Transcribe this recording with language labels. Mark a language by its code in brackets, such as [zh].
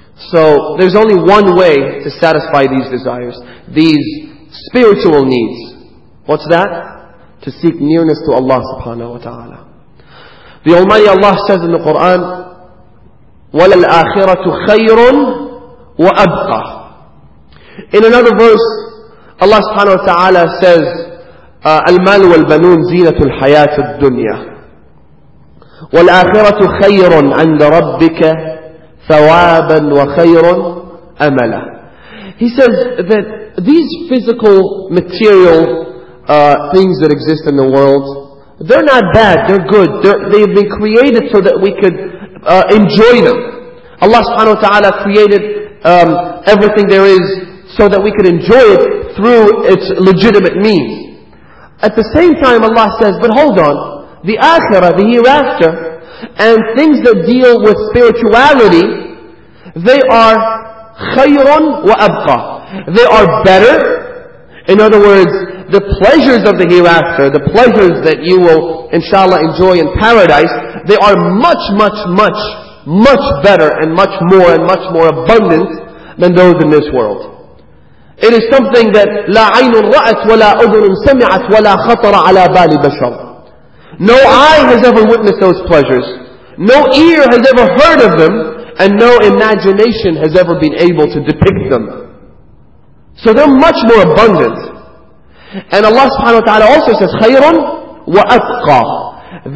[en] So there's only one way to satisfy these desires, these spiritual needs. What's that? To seek nearness to Allah subhanahu wa ta'ala. The Almighty Allah says in the Quran, [ar] وَلَلْآخِرَةُ خَيْرٌ وَأَبْقَى. [en] In another verse, Allah subhanahu wa ta'ala says, [ar] الْمَالُ وَالْبَنُونَ زِينَةُ الْحَيَاةُ الدُّنْيَا وَالْآخِرَةُ خَيْرٌ عَنْدَ رَبِّكَ ثَوَابًا وَخَيْرٌ أَمَلًا. [en] He says that these physical material things that exist in the world, they're not bad, they're good. They've been created so that we could enjoy them. Allah subhanahu wa ta'ala created everything there is so that we could enjoy it through its legitimate means. At the same time, Allah says, but hold on, the akhirah, the hereafter, and things that deal with spirituality, they are [ar] khayrun wa abqa. [en] They are better. In other words, the pleasures of the hereafter, the pleasures that you will inshallah enjoy in paradise, they are much, much, much, much better and much more abundant than those in this world. It is something that [ar] لا عين رأت ولا أذن سمعت ولا خطر على بال بشر. [en] No eye has ever witnessed those pleasures. No ear has ever heard of them. And no imagination has ever been able to depict them. So they're much more abundant. And Allah subhanahu wa ta'ala also says, [ar] خَيْرًا وَأَبْقَى.